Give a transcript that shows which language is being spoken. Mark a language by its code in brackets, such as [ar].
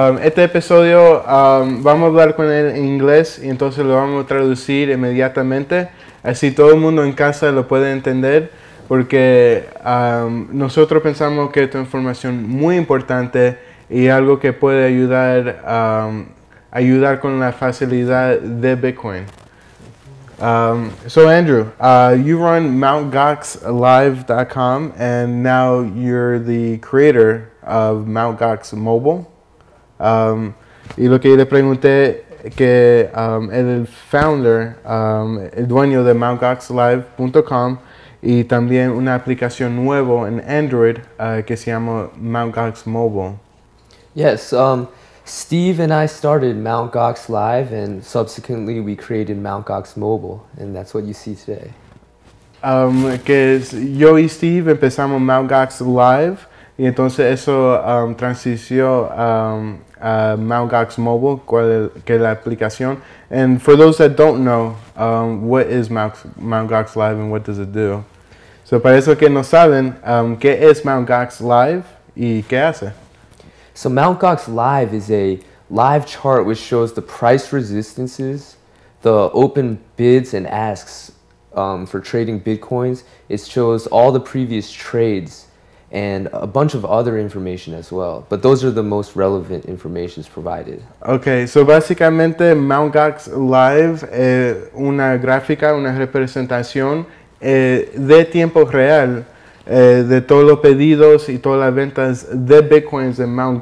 [es] Este episodio vamos a hablar con él en inglés y entonces lo vamos a traducir inmediatamente. Así todo el mundo en casa lo puede entender. Porque nosotros pensamos que esta información muy importante y algo que puede ayudar con la facilidad de Bitcoin. [en] So Andrew, you run mtgoxlive.com and now you're the creator of Mt. Gox Mobile. [es] Y lo que le pregunté que el founder, el dueño de mtgoxlive.com y también una aplicación nuevo en Android que se llama Mt. Gox Mobile. [en] Yes, Steve and I started Mt. Gox Live and subsequently we created Mt. Gox Mobile and that's what you see today. [es] Que es, yo y Steve empezamos Mt. Gox Live y entonces eso transició a Mt. Gox Mobile, que es la aplicación. [en] And for those that don't know, what is Mt. Gox Live and what does it do? [es] So, para eso que no saben, ¿qué es Mt. Gox Live y qué hace? [en] So, Mt. Gox Live is a live chart which shows the price resistances, the open bids and asks for trading bitcoins. It shows all the previous trades and a bunch of other information as well. But those are the most relevant information provided. [es] Okay, so básicamente Mt. Gox Live es una gráfica, una representación de tiempo real de todos los pedidos y todas las ventas de bitcoins de Mt.